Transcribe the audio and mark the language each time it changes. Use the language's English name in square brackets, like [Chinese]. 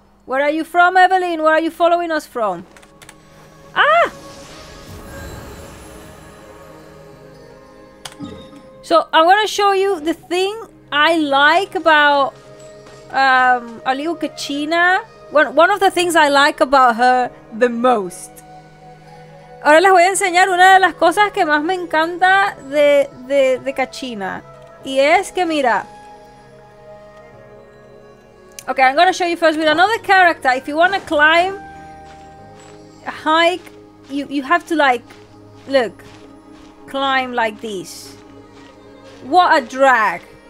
[English] Where are you from, Evelyn? Where are you following us from? Ah! So, I'm gonna show you the thing I like about a little Kachina. One of the things I like about her the most. [Spanish] Ahora les voy a enseñar una de las cosas que más me encanta de Kachina. Y es que mira. [English] Okay, I'm gonna show you first with another character. If you wanna climb, hike, you have to like, look, climb like this. What a drag.